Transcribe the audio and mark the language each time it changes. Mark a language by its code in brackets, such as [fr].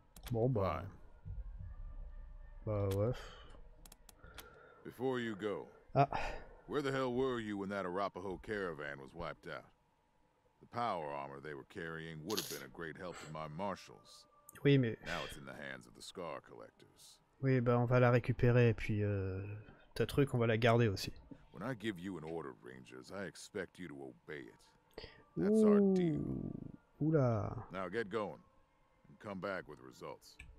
[fr] Bon, bye. Bah, ouais. [en] Before you go, where the hell were you when that Arapaho caravan was wiped out? The power armor they were carrying would have been a great help to my marshals. [fr] Oui, mais... [en] Now it's in the hands of the Scar Collectors. [fr] Oui, bah on va la récupérer, et puis ta truc, on va la garder aussi. [en] When I give you an order, Rangers, I expect you to obey it. That's our deal. Oula. Now get going, and come back with results.